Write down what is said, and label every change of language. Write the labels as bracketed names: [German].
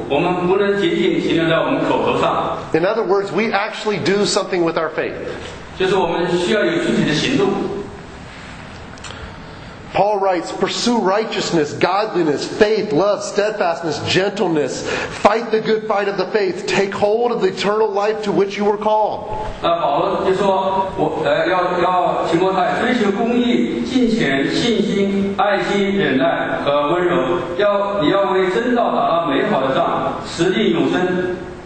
[Chinese] 我们不能仅仅停留在我们口头上。 [English] In other words, we actually do something with our faith. [Chinese] 就是我们需要有具体的行动。 [English] Paul writes, pursue righteousness, godliness, faith, love, steadfastness, gentleness. Fight the good fight of the faith. Take hold of the eternal life to which you were called. [Chinese] 那保罗就说，我要提摩太追求公义、尽显信心、爱心、忍耐和温柔，要你要为真道打到美好的仗，持定永生。